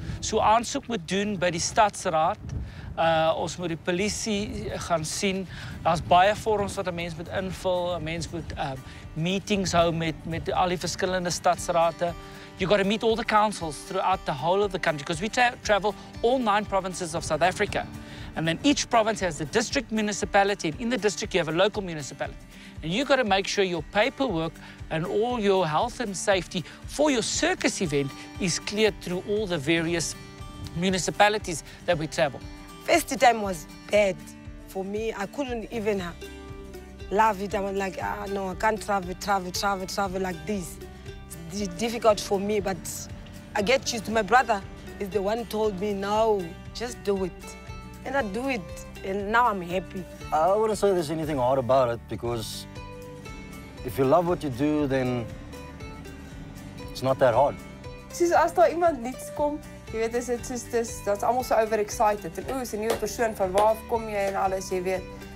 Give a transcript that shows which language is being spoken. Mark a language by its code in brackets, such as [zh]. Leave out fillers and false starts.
[af] So aansoek moet doen by die stadsraad. Ons moet die polisie gaan sien. Daar's baie vorms wat 'n mens moet invul. 'n mens moet meetings hou met al die verskillende stadsrade. [en] You got to meet all the councils throughout the whole of the country because we travel all 9 provinces of South Africa. And then each province has a district municipality. And in the district, you have a local municipality. And you've got to make sure your paperwork and all your health and safety for your circus event is cleared through all the various municipalities that we travel. First time was bad for me. I couldn't even love it. I was like, ah, no, I can't travel like this. It's difficult for me, but I get used to. My brother is the one who told me, no, just do it. And I do it, and now I'm happy. I wouldn't say there's anything hard about it, because if you love what you do, then it's not that hard. [af] Soos as daar iemand nuuts kom, jy weet, is dit soos dis, dat's almal so overexcited. En oos, 'n nuwe persoon, van waar kom jy en alles, jy weet.